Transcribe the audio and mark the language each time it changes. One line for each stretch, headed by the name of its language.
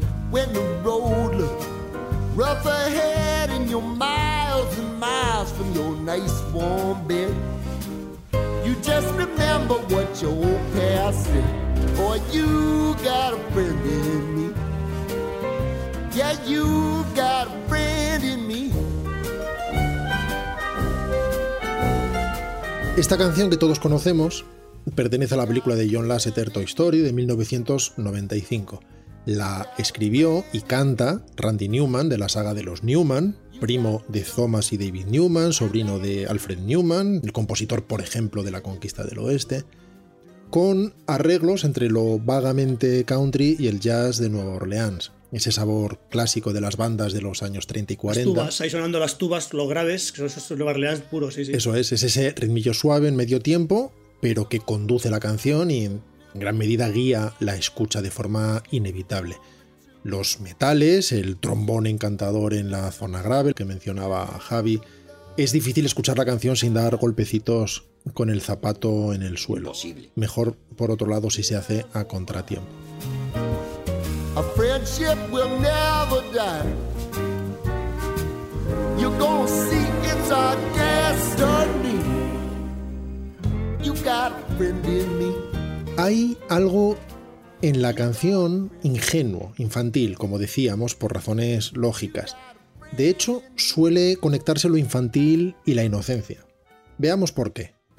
English: When the road looks rough ahead and you're miles and miles from your nice warm bed, you just remember what your old past said. Boy, you got a friend in me. Yeah, you got a friend in me.
Spanish: Esta canción que todos conocemos pertenece a la película de John Lasseter, Toy Story, de 1995. La escribió y canta Randy Newman, de la saga de los Newman, primo de Thomas y David Newman, sobrino de Alfred Newman, el compositor, por ejemplo, de La Conquista del Oeste, con arreglos entre lo vagamente country y el jazz de Nueva Orleans. Ese sabor clásico de las bandas de los años 30 y 40. Las tubas, ahí sonando las tubas, los graves, que son esos Nueva Orleans puros. Sí, sí. Eso es ese ritmillo suave en medio tiempo, pero que conduce la canción y en gran medida guía la escucha de forma inevitable. Los metales, el trombón encantador en la zona grave que mencionaba Javi. Es difícil escuchar la canción sin dar golpecitos con el zapato en el suelo. Imposible. Mejor, por otro lado, si se hace a contratiempo.
English: A friendship will never die. You're gonna see it's a destiny. You got a friend in me.
Spanish: Hay algo en la canción ingenuo, infantil, como decíamos, por razones lógicas. De hecho, suele conectarse lo infantil y la inocencia. Veamos por qué.